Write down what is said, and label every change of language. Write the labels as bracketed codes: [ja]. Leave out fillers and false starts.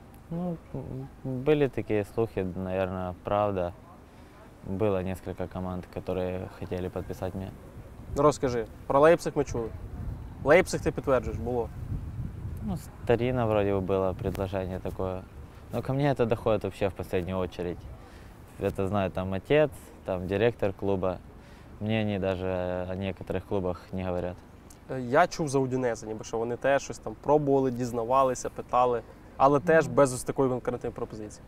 [uk] Ну, були такі слухи, мабуть, правда. Було кілька команд, які хотіли підписати мене. Розкажи, про Лейпциг ми чули. Лейпциг ти підтверджуєш, було? Ну, старіно, вроді, було предложення таке. Ну, ко мені це доходить взагалі в останню чергу. [ru] Это знает там отец, там директор клуба. Мне они даже о некоторых клубах не говорят. [uk] Я чув за Удінезе, ніби що вони теж щось там пробували, дізнавалися, питали, але теж без ось такої конкретної пропозиції.